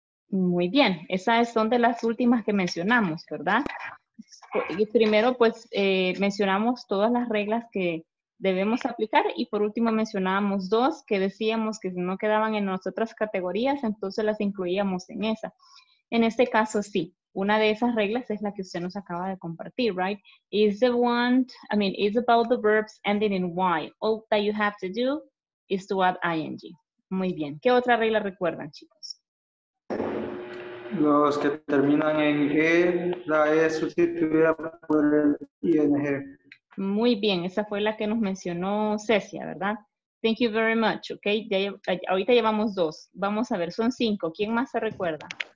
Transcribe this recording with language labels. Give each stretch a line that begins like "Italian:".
Spanish: Muy bien, esas son de las últimas que mencionamos, ¿verdad? Y primero, pues, mencionamos todas las reglas que debemos aplicar y por último mencionábamos dos que decíamos que si no quedaban en las otras categorías, entonces las incluíamos en esa. En este caso, sí. Una de esas reglas es la que usted nos acaba de compartir, right?
English: Is the one, I mean, is about the verbs ending in Y. All that you have to do is to add ING.
Spanish: Muy bien. ¿Qué otra regla recuerdan, chicos? Los que terminan en E, la E sustituida por el ING. Muy bien. Esa fue la que nos mencionó Cecia, ¿verdad?
English: Thank you very much,
Spanish: ¿ok? Ya, ahorita llevamos dos. Vamos a ver, son cinco. ¿Quién más se recuerda?